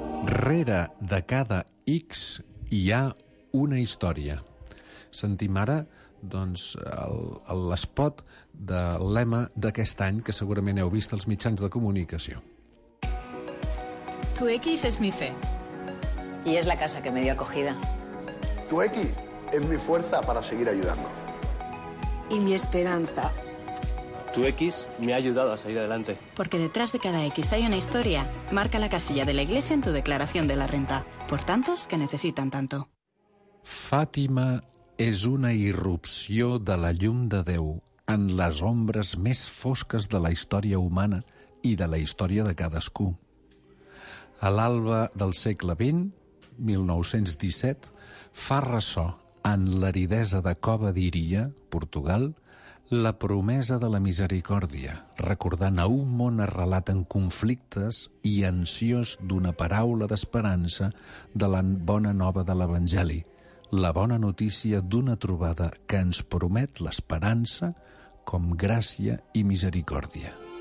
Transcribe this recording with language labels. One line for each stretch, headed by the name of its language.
Catalan: Rere de cada X hi ha una història. Sentim ara, doncs, l'espot de lema d'aquest any que segurament heu vist als mitjans de comunicació.
Spanish: Tu X es mi fe. Y es la casa que me dio acogida. Tu X es mi fuerza para seguir ayudando. Y mi esperanza. Tu X me ha ayudado a salir adelante. Porque detrás de cada X hay una historia. Marca la casilla de la Iglesia en tu declaración de la renta. Por tantos que necesitan tanto.
Catalan: Fàtima és una irrupció de la llum de Déu en les ombres més fosques de la història humana i de la història de cadascú. A l'alba del segle XX, 1917, fa ressò en l'aridesa de Cova d'Iria, Portugal, la promesa de la misericòrdia, recordant a un món arrelat en conflictes i ansiós d'una paraula d'esperança de la bona nova de l'Evangeli, la bona notícia d'una trobada que ens promet l'esperança com gràcia i misericòrdia.